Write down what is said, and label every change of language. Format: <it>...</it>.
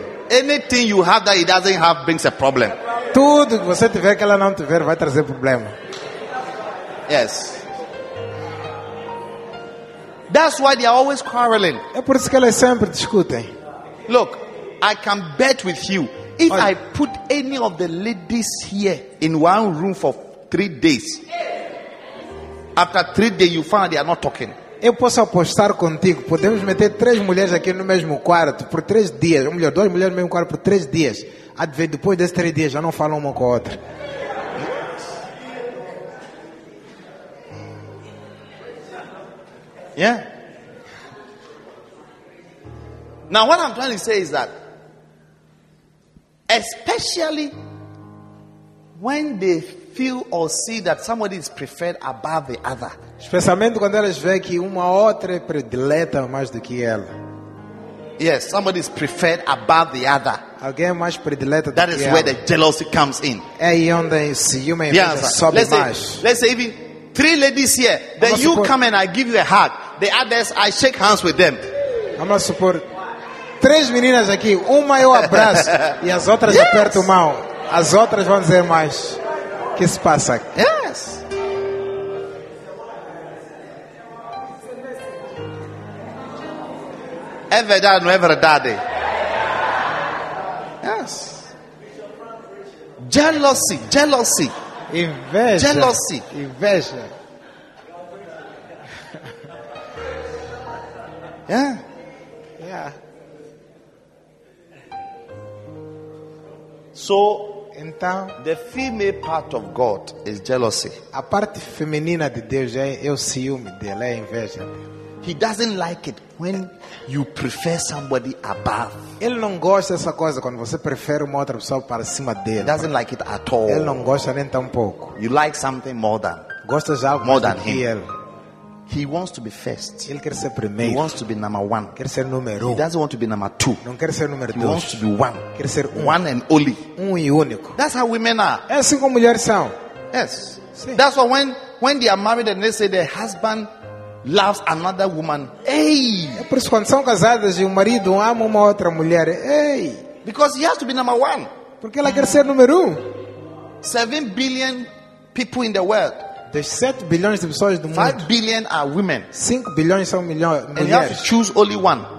<en>anything you have that he doesn't have brings a problem.</en> <pt>Tudo que você tiver que ela não tiver vai trazer problema.</pt> <en>Yes. That's why they are always quarreling.</en> <pt>É por isso que elas sempre discutem.</pt> <en>Look, I can bet with you, if I put any of the ladies here in one room for 3 days, after 3 days you find they are not talking.</en> <pt>Eu posso apostar contigo, podemos meter 3 mulheres aqui no mesmo quarto por 3 dias, ou melhor, 2 mulheres no mesmo quarto por 3 dias. Depois desses 3 dias, já não falam uma com a outra.</pt> <en>Yeah. Now, what I'm trying to say is that, especially when they feel or see that somebody is preferred above the other.</en> <pt>Especialmente quando elas veem que uma outra é predileta mais do que ela.</pt> <en>Yes, somebody is preferred above the other.</en> <pt>Alguém mais predileta.</pt> <en>That is where the jealousy comes in.</en> <pt>É onde ciúme sobe mais.</pt> <en>Let's say even three ladies here, then you come and I give you a hug. The others, I shake hands with them. I'm not support.</en> <pt>Três meninas aqui, uma eu abraço e as outras yes. aperto mão. As outras vão dizer mais. Que se passa?</pt> <en>Yes.</en> <pt>É verdade, não é verdade?</pt> <en>Yes. Jealousy, jealousy.</en> <pt>Inveja.</pt> <en>Jealousy.</en> <pt>Inveja.</pt> <en>Yeah. Yeah. So,</en> <pt>então,</pt> <en>the female part of God is jealousy.</en> <pt>A parte feminina de Deus é o ciúme dele, é a inveja dele.</pt> <en>He doesn't like it when you prefer somebody above.</en> <pt>Ele não gosta dessa coisa quando você prefere uma outra pessoa para cima dele.</pt> <en>He doesn't like it at all.</en> <pt>Ele não gosta nem tampouco.</pt> <en>You like something more than.</en> <pt>Gosta de algo</pt> <en>more than</en> <pt>que</pt> <en>him.</en> <pt>Ele.</pt> <en>He wants to be first.</en> <pt>Ele quer ser primeiro.</pt> <en>He wants to be number one.</en> <pt>Quer ser número um.</pt> <en>He doesn't want to be number two.</en> <pt>Não quer ser número</pt> <en>he</en> <pt>dois.</pt> <en>Wants to be one.</en> <pt>Quer ser</pt> <en>one and only.</en> <pt>Um e único.</pt> <en>That's how women are.</en> <pt>É assim como mulheres são.</pt> <en>Yes.</en> <pt>Sim.</pt> <en>That's why when they are married and they say their husband loves another woman. Hey.</en> <pt>É por isso quando são casadas e o marido ama uma outra mulher.</pt> <en>Hey. Because he has to be number one.</en> <pt>Porque ela quer ser número um.</pt> <en>7 billion people in the world.</en> <pt>There's 7 billion de pessoas do mundo.</pt> <en>5 billion are women.</en> <pt>5 bilhões são mulheres.</pt> <en>And you have to choose only one.</en>